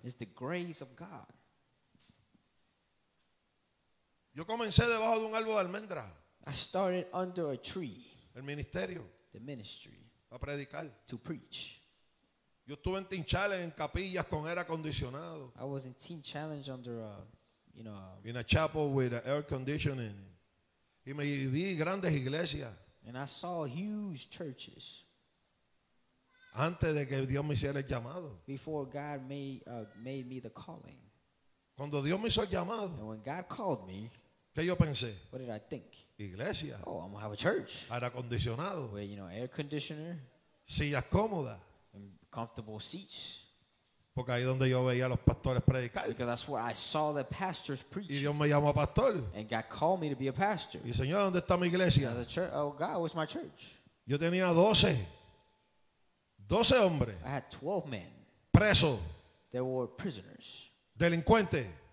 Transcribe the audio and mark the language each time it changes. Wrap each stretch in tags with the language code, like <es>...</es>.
<en>It's the grace of God.</en> <es>Yo comencé debajo de un árbol de almendra.</es> <en>I started under a tree.</en> <es>El ministerio.</es> <en>The ministry.</en> <es>A predicar.</es> <en>To preach.</en> <es>Yo estuve en Teen Challenge en capillas con aire acondicionado.</es> <en>I was in Teen Challenge under a, you know. In a chapel with air conditioning.</en> <es>Y me vi grandes iglesias.</es> <en>And I saw huge churches.</en> <es>Antes de que Dios me hiciera el llamado.</es> <en>Before God made me the calling.</en> <es>Cuando Dios me hizo el llamado.</es> <en>And when God called me.</en> <es>¿Qué yo pensé?</es> <en>What did I think?</en> <es>Iglesia.</es> <en>Oh, I'm going to have a church.</en> <es>Aire acondicionado.</es> <en>With, you know, air conditioner.</en> <es>Sillas cómodas.</es> <en>And comfortable seats.</en> <es>Porque ahí donde yo veía los pastores predicar.</es> <en>Because that's where I saw the pastors preach.</en> <es>Y Dios me llamó a pastor.</es> <en>And God called me to be a pastor.</en> <es>Y Señor, ¿dónde está mi iglesia?</es> <en>As a church, oh God, where's my church?</en> <es>Yo tenía 12. 12 hombres.</es> <en>I had 12 men.</en> <es>Preso.</es> <en>They were prisoners.</en> <es>Delincuente.</es>